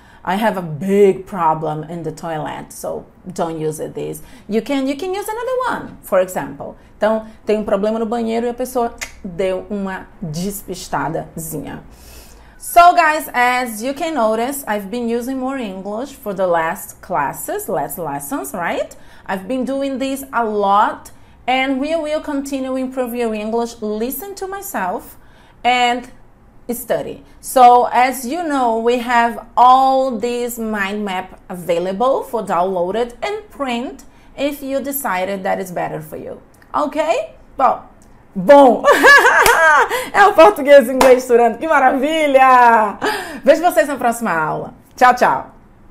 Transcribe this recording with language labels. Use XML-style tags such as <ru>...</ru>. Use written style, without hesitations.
<en>I have a big problem in the toilet, so don't use it this. You can use another one, for example.</en> <pt>Então, tem um problema no banheiro e a pessoa deu uma despistadazinha.</pt> <en>So, guys, as you can notice, I've been using more English for the last lessons, right? I've been doing this a lot, and we will continue improving your English. Listen to myself and study. So, as you know, we have all these mind map available for downloaded and print if you decided that is better for you. Okay?</en> <pt>Well, bom, é o português e inglês durante. Que maravilha! Vejo vocês na próxima aula. Tchau, tchau!</pt>